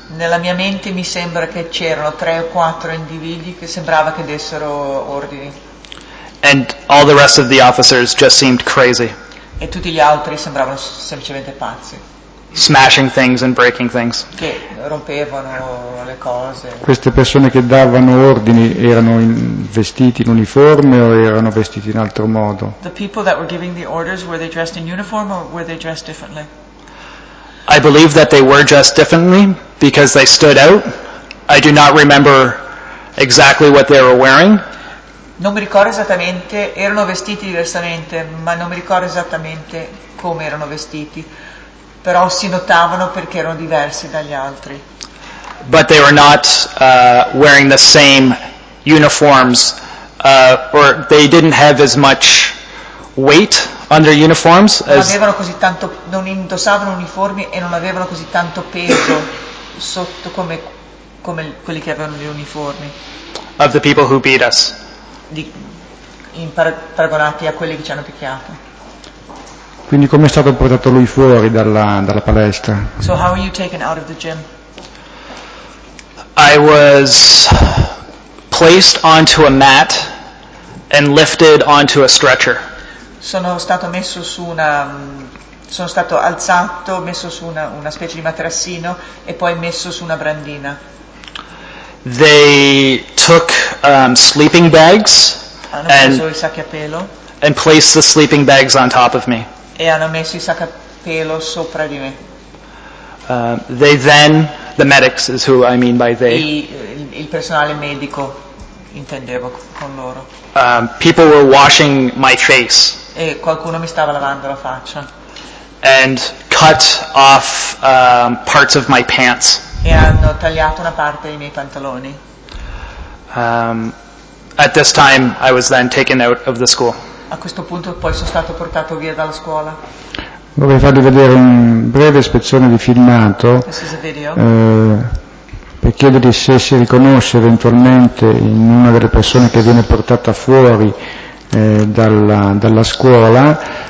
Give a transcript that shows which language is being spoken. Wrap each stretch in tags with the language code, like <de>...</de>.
<it>Nella mia mente mi sembra che c'erano tre o quattro individui che sembrava che dessero ordini.</it> <en>And all the rest of the officers just seemed crazy.</en> <it>E tutti gli altri sembravano semplicemente pazzi.</it> <en>Smashing things and breaking things.</en> <it>Che rompevano le cose. Queste persone che davano ordini erano vestiti in uniforme o erano vestiti in altro modo?</it> <en>The people that were giving the orders, were they dressed in uniform or were they dressed differently? I believe that they were dressed differently because they stood out. I do not remember exactly what they were wearing.</en> <it>Non mi ricordo esattamente, erano vestiti diversamente, ma non mi ricordo esattamente come erano vestiti. Però si notavano perché erano diversi dagli altri.</it> <en>But they were not wearing the same uniforms, or they didn't have as much weight on their uniforms.</en> <it>Non indossavano uniformi e non avevano così tanto peso sotto come quelli che avevano gli uniformi.</it> <en>Of the people who beat us.</en> <it>Paragonati a quelli che ci hanno picchiato. Quindi come è stato portato lui fuori dalla palestra?</it> <en>So how were you taken out of the gym? I was placed onto a mat and lifted onto a stretcher.</en> <it>Sono stato messo su una Sono stato alzato, messo su una specie di materassino e poi messo su una brandina.</it> <en>They took sleeping bags and placed the sleeping bags on top of me.</en> <it>E hanno messo i sacchi a pelo sopra di me.</it> <en>They then, the medics is who I mean by they.</en> <it>Il personale medico intendevo con loro.</it> <en>People were washing my face.</en> <it>E qualcuno mi stava lavando la faccia.</it> <en>And cut off parts of my pants.</en> <it>E hanno tagliato una parte dei miei pantaloni.</it> <en>At this time, I was then taken out of the school.</en> <it>A questo punto, poi sono stato portato via dalla scuola. Vorrei farvi vedere un breve spezzone di filmato.</it> <en>This is a video.</en> <it>Per chiedergli se si riconosce eventualmente in una delle persone che viene portata fuori dalla scuola.</it>